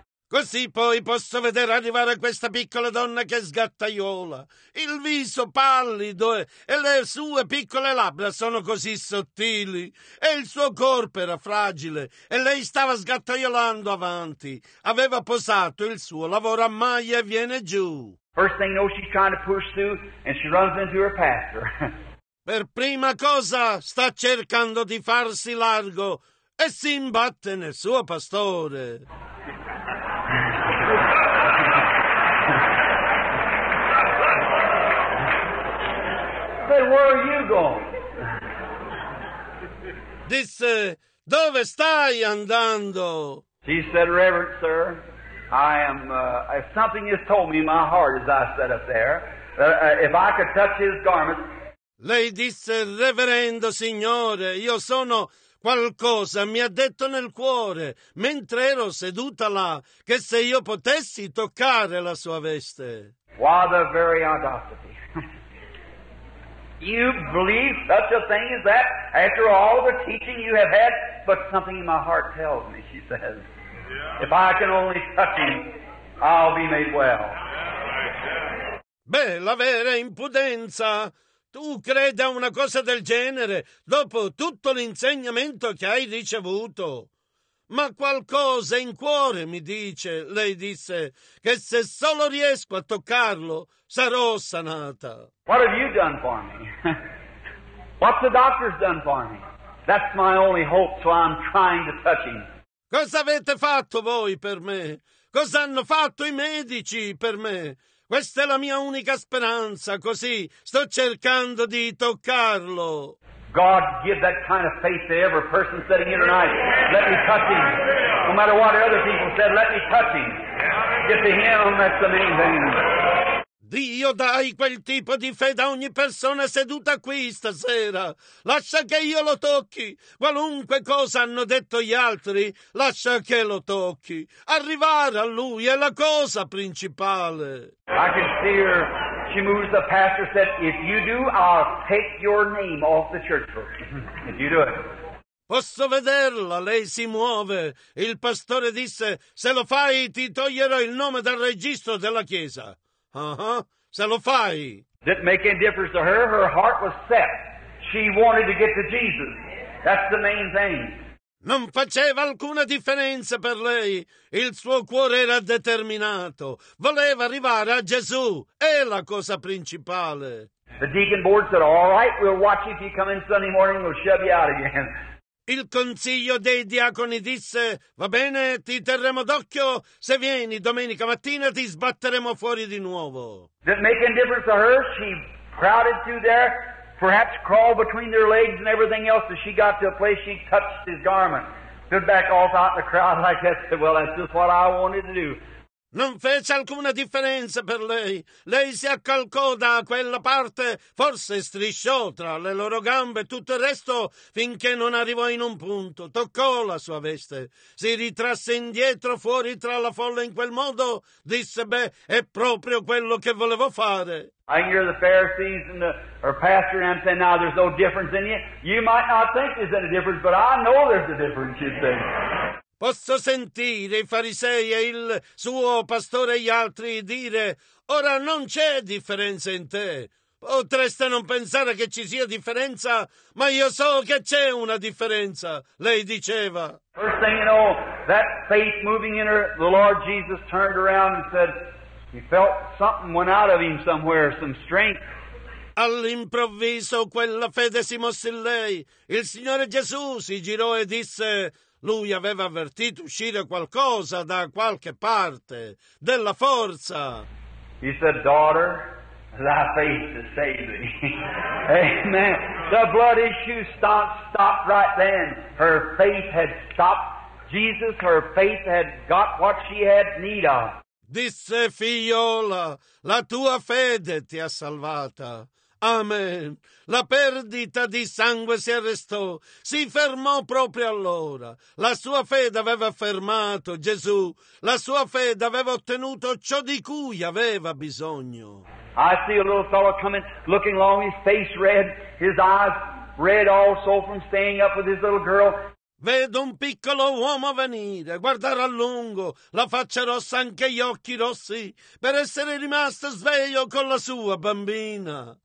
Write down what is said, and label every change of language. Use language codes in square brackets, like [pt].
[it] Così poi posso vedere arrivare questa piccola donna che sgattaiola, il viso pallido e le sue piccole labbra sono così sottili e il suo corpo era fragile e lei stava sgattaiolando avanti. Aveva posato il suo lavoro a maglia e viene giù. [en] First thing you know she's trying to push through and she runs into her pastor. [it] Per prima cosa sta cercando di farsi largo e si imbatte nel suo pastore. [en] Where are you going? [it] Disse, dove stai andando? [en] She said, Reverend sir, I am, if something has told me in my heart as I sat up there, if I could touch his garment. [it] Lei disse, reverendo signore, io sono qualcosa, mi ha detto nel cuore, mentre ero seduta là, che se io potessi toccare la sua veste. [en] What a very audacity. You believe such a thing as that? After all the teaching you have had, but something in my heart tells me, she says. Yeah. If I can only touch him, I'll be made well. [it] Beh, la vera impudenza. Tu credi a una cosa del genere dopo tutto l'insegnamento che hai ricevuto. Ma qualcosa in cuore mi dice, lei disse, che se solo riesco a toccarlo, sarò sanata. [en] What have you done for me? What's the doctor's done for me? That's my only hope, so I'm trying to touch him. [it] Cosa avete fatto voi per me? Cosa hanno fatto i medici per me? Questa è la mia unica speranza, così sto cercando di toccarlo. [en] God give that kind of faith to every person sitting here tonight. Let me touch him. No matter what other people said, let me touch him. Get to him, that's the main thing. [it] Dio dai quel tipo di fede a ogni persona seduta qui stasera. Lascia che io lo tocchi. Qualunque cosa hanno detto gli altri, lascia che lo tocchi. Arrivare a lui è la cosa principale. [en] I can see her. She moves the pastor said, if you do, I'll take your name off the church book. If you do it. [it] Posso vederla, lei si muove. Il pastore disse, se lo fai ti toglierò il nome dal registro della chiesa. Se lo fai. [en] Didn't make any difference to her. Her heart was set. She wanted to get to Jesus. That's the main thing. [it] Non faceva alcuna differenza per lei. Il suo cuore era determinato. Voleva arrivare a Gesù. È la cosa principale. [en] The deacon board said, all right, we'll watch if you come in Sunday morning, we'll shove you out again. [it] Il consiglio dei diaconi disse, va bene, ti terremo d'occhio, se vieni domenica mattina ti sbatteremo fuori di nuovo. [en] Didn't make any difference to her, she crowded through there, perhaps crawled between their legs and everything else, as she got to a place she touched his garment. Stood back off out in the crowd like that, said, well, that's just what I wanted to do. [it] Non fece alcuna differenza per lei. Lei si accalcò da quella parte, forse strisciò tra le loro gambe e tutto il resto, finché non arrivò in un punto. Toccò la sua veste. Si ritrasse indietro fuori tra la folla in quel modo. Disse, beh, è proprio quello che volevo fare. [en] I hear the Pharisees and the pastor and I'm saying, now there's no difference in you. You might not think there's any difference, but I know there's a difference, you say. [it] Posso sentire i farisei e il suo pastore e gli altri dire, ora non c'è differenza in te. Potreste non pensare che ci sia differenza, ma io so che c'è una differenza, lei diceva. [en] First thing you know, that faith moving in her, the Lord Jesus turned around and said, he felt something went out of him somewhere, some strength. [it] All'improvviso quella fede si mosse in lei. Il Signore Gesù si girò e disse, lui aveva avvertito uscire qualcosa da qualche parte, della forza. [en] He said, daughter, thy faith has saved thee. Amen. The blood issue stopped right then. Her faith had stopped. Jesus, her faith had got what she had need of. [it] Disse, figliola, la tua fede ti ha salvata. Amen. La perdita di sangue si arrestò, si fermò proprio allora. La sua fede aveva fermato Gesù, la sua fede aveva ottenuto ciò di cui aveva bisogno. [en] I see a little fellow coming, looking long, his face red, his eyes red also from staying up with his little girl. [it] Vedo un piccolo uomo venire, guardare a lungo, la faccia rossa, anche gli occhi rossi, per essere rimasto sveglio con la sua bambina.